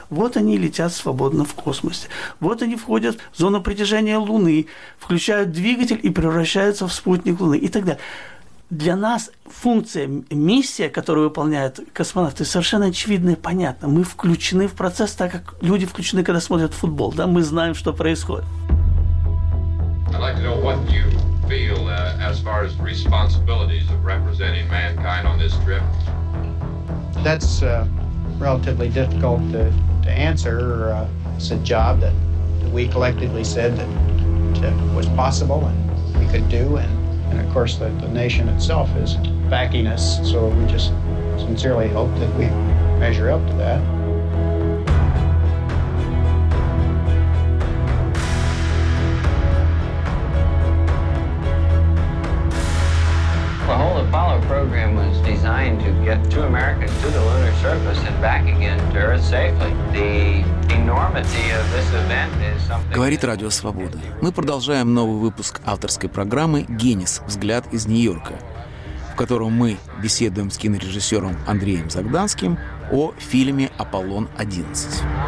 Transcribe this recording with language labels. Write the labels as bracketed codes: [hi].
[ru] Вот они летят свободно в космосе. Вот они входят в зону притяжения Луны, включают двигатель и превращаются в спутник Луны и так далее. Для нас функция, миссия, которую выполняют космонавты, совершенно очевидна и понятна. Мы включены в процесс, так как люди включены, когда смотрят футбол. Да? Мы знаем, что происходит. [en] I'd like to know what you feel as far as responsibilities of representing mankind on this trip. That's relatively difficult to answer. It's a job that we collectively said that was possible and we could do. And of course, the nation itself is backing us, so we just sincerely hope that we measure up to that. The whole Apollo program was designed to get two Americans to the lunar surface and back again to Earth safely. The enormity of this event is something... [ru] Говорит Радио Свобода. Мы продолжаем новый выпуск авторской программы «Генис. Взгляд из Нью-Йорка», в котором мы беседуем с кинорежиссером Андреем Загданским о фильме «Аполлон-11».